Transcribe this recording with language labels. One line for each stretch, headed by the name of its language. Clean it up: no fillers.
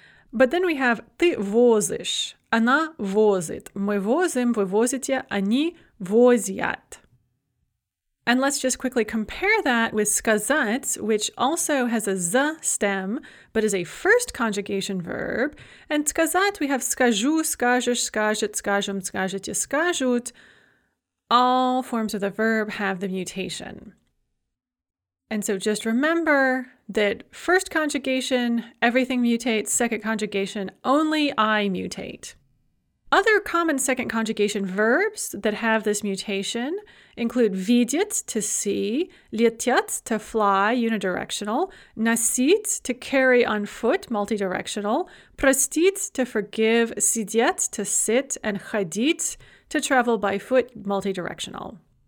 English: But then we have
Russian: ты возишь, она возит, мы возим, вы возите, они возят.
English: And let's just quickly compare that with сказать, which also has a z stem, but is a first conjugation verb. And сказать, we have
Russian: скажу, скажешь, скажет, скажем, скажете, скажут.
English: All forms of the verb have the mutation. And so just remember that first conjugation, everything mutates, second conjugation, only I mutate. Other common second conjugation verbs that have this mutation include видеть, to see, лететь, to fly, unidirectional, носить, to carry on foot, multidirectional, простить, to forgive, сидеть, to sit, and ходить, to travel by foot, multidirectional.